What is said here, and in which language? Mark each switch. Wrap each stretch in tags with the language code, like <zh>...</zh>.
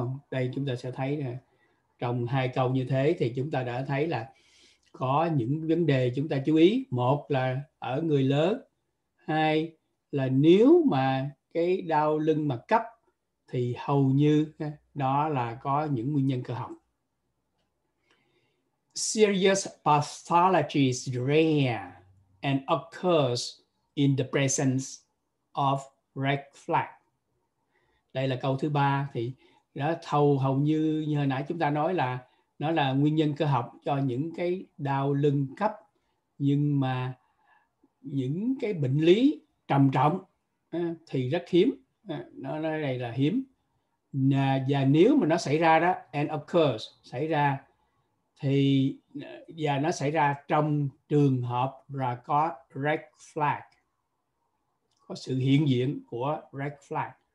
<vi>Đây chúng ta sẽ thấy nè, trong hai câu như thế thì chúng ta đã thấy là có những vấn đề chúng ta chú ý. Một là ở người lớn. Hai là nếu mà cái đau lưng mà cấp thì hầu như đó là có những nguyên nhân cơ học.</vi> <en>Serious pathology is rare and occurs in the presence of red flag.</en> <vi>Đây là câu thứ ba. Thì đó, hầu như hồi nãy chúng ta nói là nó là nguyên nhân cơ học cho những cái đau lưng cấp, nhưng mà những cái bệnh lý trầm trọng thì rất hiếm. Nó nói đây là hiếm. Và nếu mà nó xảy ra đó,</vi> <en>and occurs,</en> <vi>xảy ra, thì và nó xảy ra trong trường hợp là có red flag, có sự hiện diện của red flag.</vi>